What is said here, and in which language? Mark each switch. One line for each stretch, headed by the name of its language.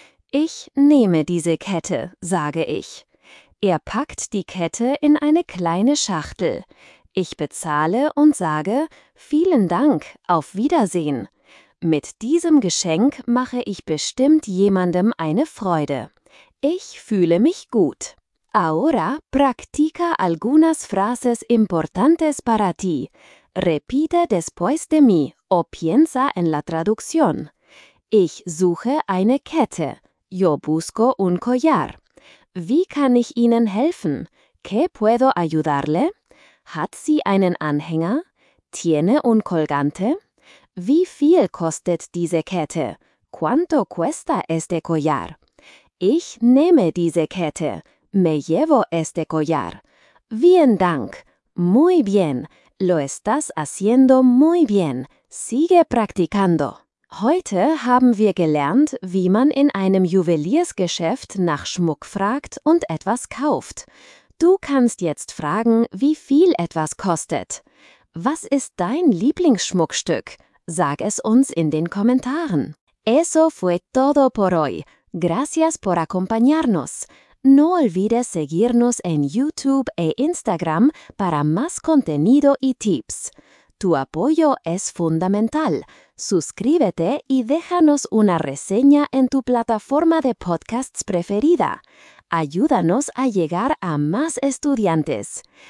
German: Ich nehme diese Kette, sage ich. Er packt die Kette in eine kleine Schachtel. Ich bezahle und sage, vielen Dank, auf Wiedersehen. Mit diesem Geschenk mache ich bestimmt jemandem eine Freude. Ich fühle mich gut.
Spanish: Ahora practica algunas frases importantes para ti. Repite después de mí o piensa en la traducción.
German: Ich suche eine Kette.
Spanish: Yo busco un collar.
German: Wie kann ich Ihnen helfen?
Spanish: ¿Qué puedo ayudarle?
German: Hat sie einen Anhänger?
Spanish: ¿Tiene un colgante?
German: Wie viel kostet diese Kette?
Spanish: ¿Cuánto cuesta este collar?
German: Ich nehme diese Kette.
Spanish: Me llevo este collar. Bien Dank. Muy bien. Lo estás haciendo muy bien. Sigue practicando.
German: Heute haben wir gelernt, wie man in einem Juweliersgeschäft nach Schmuck fragt und etwas kauft. Du kannst jetzt fragen, wie viel etwas kostet. Was ist dein Lieblingsschmuckstück? Sag es uns in den Kommentaren.
Spanish: Eso fue todo por hoy. Gracias por acompañarnos. No olvides seguirnos en YouTube e Instagram para más contenido y tips. Tu apoyo es fundamental. Suscríbete y déjanos una reseña en tu plataforma de podcasts preferida. Ayúdanos a llegar a más estudiantes.